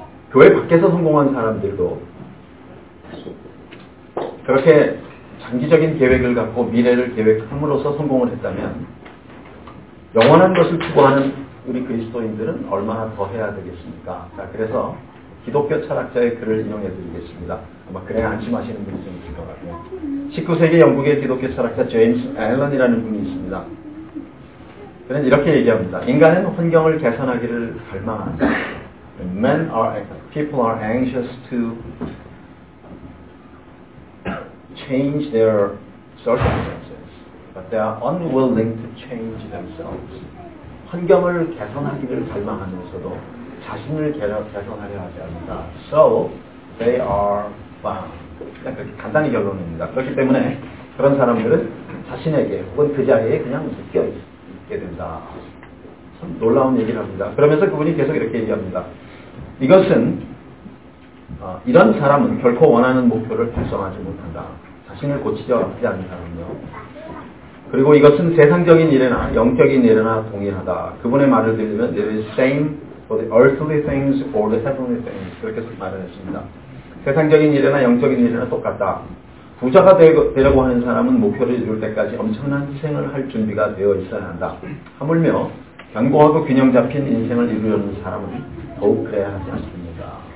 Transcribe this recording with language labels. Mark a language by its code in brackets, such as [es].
[ko] 교회 밖에서 성공한 사람들도 그렇게 장기적인 계획을 갖고 미래를 계획함으로써 성공을 했다면 영원한 것을 추구하는 우리 그리스도인들은 얼마나 더 해야 되겠습니까? 자, 그래서 기독교 철학자의 글을 인용해 드리겠습니다. 아마 글에 안심하시는 분이 좀 있을 것 같아요. 19세기 영국의 기독교 철학자 제임스 앨런이라는 분이 있습니다. 그는 이렇게 얘기합니다. 인간은 환경을 개선하기를 갈망한다. [en] Men are, people are anxious to change their circumstances, but they are unwilling to change themselves. [ko] 환경을 개선하기를 갈망하면서도 자신을 개선하려 하지 않는다. [en] So they are bound. [ko] 그냥 그렇게 간단히 결론입니다. 그렇기 때문에 그런 사람들은 자신에게 혹은 그 자리에 그냥 묶여 있게 된다. 참 놀라운 얘기를 합니다. 그러면서 그분이 계속 이렇게 얘기합니다. 이것은 이런 사람은 결코 원하는 목표를 달성하지 못한다. 자신을 고치려 하지 않는 사람은요. 그리고 이것은 세상적인 일이나 영적인 일이나 동일하다. 그분의 말을 들으면 [en] it is same for the earthly things or the heavenly things. [ko] 그렇게 말을 했습니다. 세상적인 일이나 영적인 일이나 똑같다. 부자가 되려고 하는 사람은 목표를 이룰 때까지 엄청난 희생을 할 준비가 되어 있어야 한다. 하물며 견고하고 균형 잡힌 인생을 이루려는 사람은 더욱 그래야 하지 않습니다.